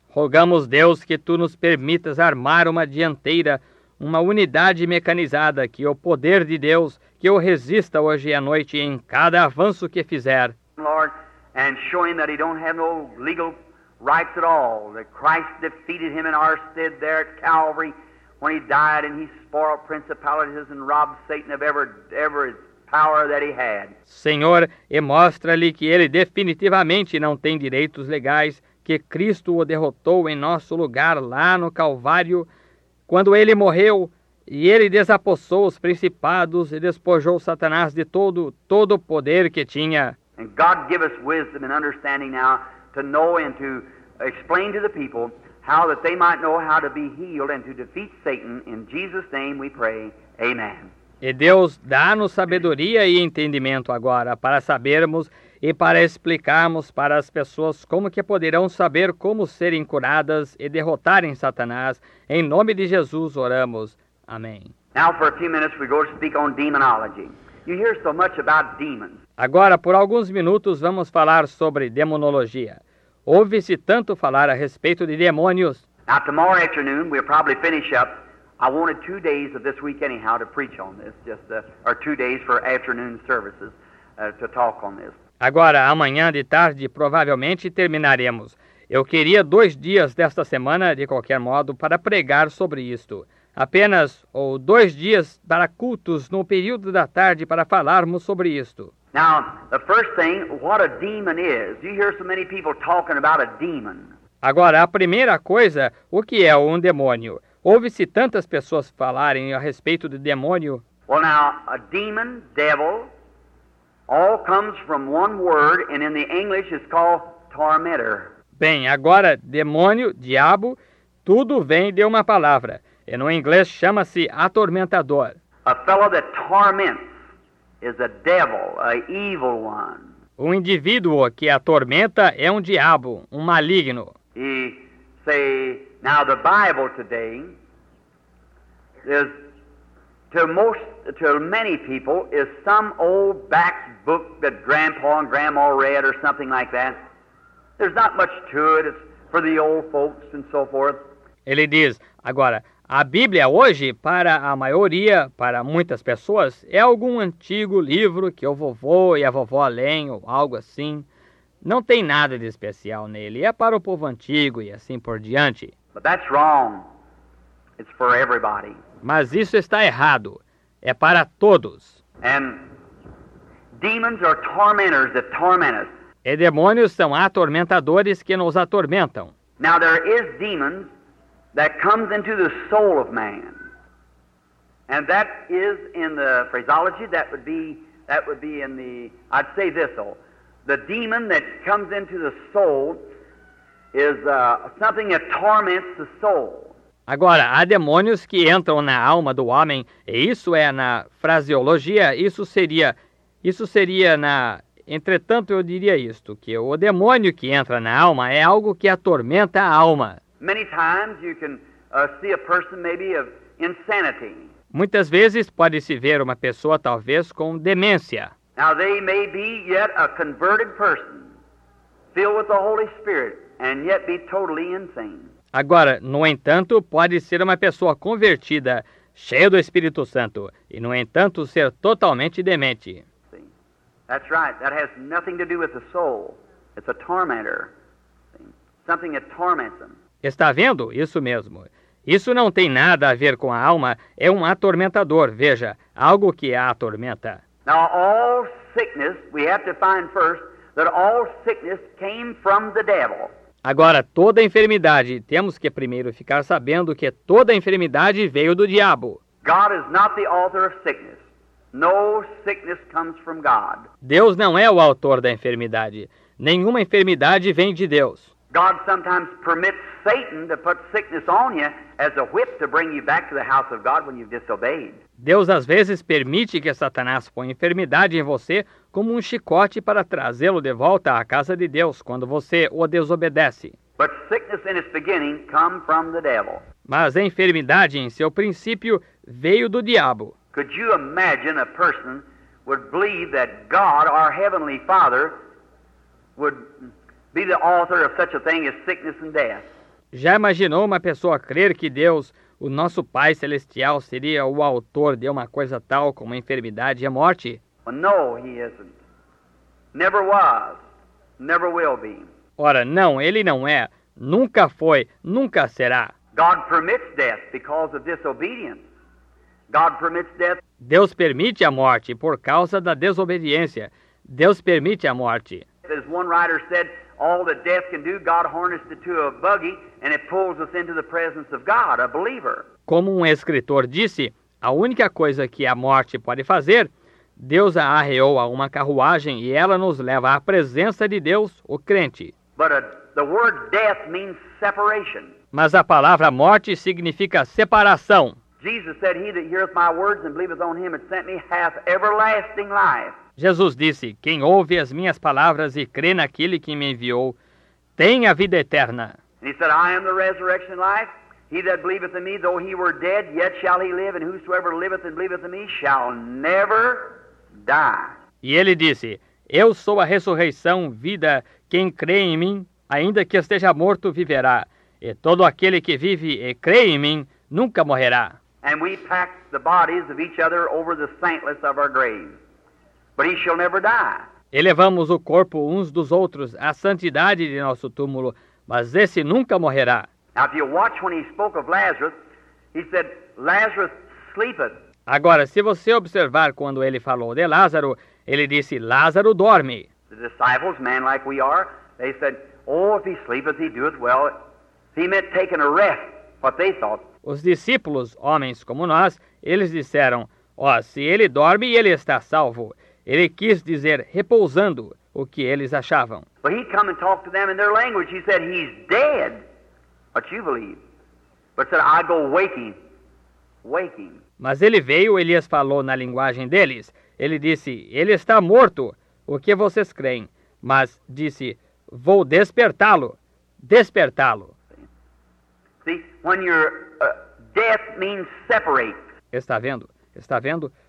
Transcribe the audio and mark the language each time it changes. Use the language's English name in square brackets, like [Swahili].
[Portuguese] Rogamos, Deus, que tu nos permitas armar uma dianteira, uma unidade mecanizada, que o poder de Deus, que o resista hoje à noite em cada avanço que fizer. [English] Lord, and show him that he don't have no legal rights at all, that Christ defeated him in our stead there at Calvary when he died and he spoiled principalities and robbed Satan of every power that he had. [Portuguese] Senhor, e mostra-lhe que ele definitivamente não tem direitos legais, que Cristo o derrotou em nosso lugar lá no Calvário, quando ele morreu e ele desapossou os principados e despojou Satanás de todo o poder que tinha. [English] And God give us wisdom and understanding now to know and to explain to the people how that they might know how to be healed and to defeat Satan. In Jesus' name we pray. Amen. [Portuguese] E Deus, dá-nos sabedoria e entendimento agora para sabermos e para explicarmos para as pessoas como que poderão saber como serem curadas e derrotarem Satanás. Em nome de Jesus oramos. Amém. [English] Now for a few minutes we go to speak on demonology. You hear so much about demons. [Portuguese] Agora, por alguns minutos, vamos falar sobre demonologia. Ouve-se tanto falar a respeito de demônios. [English] Now tomorrow afternoon we'll probably finish up. I wanted 2 days of this week anyhow to preach on this, or 2 days for afternoon services to talk on this. [Portuguese] Agora, amanhã de tarde, provavelmente terminaremos. Eu queria 2 dias desta semana, de qualquer modo, para pregar sobre isto. Apenas, ou 2 dias para cultos no período da tarde para falarmos sobre isto. [English] Now, the first thing, what a demon is. You hear so many people talking about a demon. [Portuguese] Agora, a primeira coisa, o que é um demônio? Ouve-se tantas pessoas falarem a respeito de demônio? [English] Well, now, a demon, devil, all comes from one word, and in the English it's called tormentor. [Portuguese] Bem, agora, demônio, diabo, tudo vem de uma palavra. E no inglês chama-se atormentador. [English] A fellow that torments is a devil, a evil one. [Portuguese] Um indivíduo que atormenta é um diabo, um maligno. [English] E, say, now the Bible today is to most to many people is some old back book that Grandpa and Grandma read or something like that. There's not much to it. It's for the old folks and so forth. [Portuguese] Ele diz, agora, a Bíblia hoje, para a maioria, para muitas pessoas, é algum antigo livro que o vovô e a vovó leem ou algo assim. Não tem nada de especial nele. É para o povo antigo e assim por diante. [English] But that's wrong. It's for everybody. [Portuguese] Mas isso está errado. É para todos. [English] And demons are tormentors that torment us. [Portuguese] E demônios são atormentadores que nos atormentam. [English] Now there is demons that comes into the soul of man. And that is in the phraseology, that would be in the, I'd say this though. The demon that comes into the soul is something that torments the soul. [Portuguese] Agora, há demônios que entram na alma do homem, e isso é na fraseologia, isso seria na... Entretanto, eu diria isto, que o demônio que entra na alma é algo que atormenta a alma. [English] Many times you can see a person maybe of insanity. [Portuguese] Muitas vezes pode-se ver uma pessoa, talvez, com demência. [English] Now they may be yet a converted person, filled with the Holy Spirit, and yet be totally insane. [Portuguese] Agora, no entanto, pode ser uma pessoa convertida, cheia do Espírito Santo, e no entanto ser totalmente demente. [English] That's right. That has nothing to do with the soul. It's a tormentor. Something that torments them. [Portuguese] Está vendo? Isso mesmo. Isso não tem nada a ver com a alma. É um atormentador, veja, algo que a atormenta. [English] Now, all sickness, we have to find first that all sickness came from the devil. [Portuguese] Agora, toda a enfermidade, temos que primeiro ficar sabendo que toda a enfermidade veio do diabo. [English] God is not the author of sickness. No sickness comes from God. [Portuguese] Deus não é o autor da enfermidade. Nenhuma enfermidade vem de Deus. [English] God sometimes permits Satan to put sickness on you as a whip to bring you back to the house of God when you've disobeyed. [Portuguese] Deus às vezes permite que Satanás ponha enfermidade em você como um chicote para trazê-lo de volta à casa de Deus quando você o desobedece. [English] But sickness in its beginning come from the devil. [Portuguese] Mas a enfermidade em seu princípio veio do diabo. [English] Could you imagine a person would believe that God, our heavenly Father, would be the author of such a thing as sickness and death? [Portuguese] Já imaginou uma pessoa crer que Deus, o nosso Pai Celestial, seria o autor de uma coisa tal como a enfermidade e a morte? [English] Well, no, he isn't. Never was. Never will be. [Portuguese] Ora, não, ele não é. Nunca foi. Nunca será. [English] God permits death because of disobedience. God permits death. [Portuguese] Deus permite a morte por causa da desobediência. Deus permite a morte. [English] As one writer said, all that death can do, God harnessed it to a buggy and it pulls us into the presence of God, a believer. [Portuguese] Como escritor disse, a única coisa que a morte pode fazer, Deus a arreou a uma carruagem e ela nos leva à presença de Deus, o crente. [English] But the word death means separation. [Portuguese] Mas a palavra morte significa separação. [English] Jesus said, he that heareth my words and believeth on him that sent me hath everlasting life. [Portuguese] Jesus disse, quem ouve as minhas palavras e crê naquele que me enviou, tem a vida eterna. [English] And he said, I am the resurrection life. He that believeth in me, though he were dead, yet shall he live. And whosoever liveth and believeth in me shall never die. [Portuguese] E ele disse, eu sou a ressurreição, vida. Quem crê em mim, ainda que esteja morto, viverá. E todo aquele que vive e crê em mim, nunca morrerá. [English] And we pack the bodies of each other over the saintless of our grave. But he shall never die. [Portuguese] E levamos o corpo uns dos outros à santidade de nosso túmulo, mas esse nunca morrerá. [English] Now, if you watch when he spoke of Lazarus, he said, Lazarus sleepeth. [Portuguese] Agora, se você observar quando ele falou de Lázaro, ele disse, Lázaro dorme. [English] The disciples, man like we are, they said, oh, if he sleepeth, he doeth well. He meant taking a rest, what they thought. [Portuguese] Os discípulos, homens como nós, eles disseram, ó, se ele dorme, ele está salvo. Ele quis dizer, repousando, o que eles achavam. [English] Well, he'd come and talk to them in their language. He said, he's dead, what you believe. But said, I go waking, waking. [Portuguese] Mas ele veio, Elias falou na linguagem deles. Ele disse, ele está morto, o que vocês creem? Mas disse, vou despertá-lo, despertá-lo. [English] See, when you're... Death means separate. [Portuguese] Está vendo? Está vendo?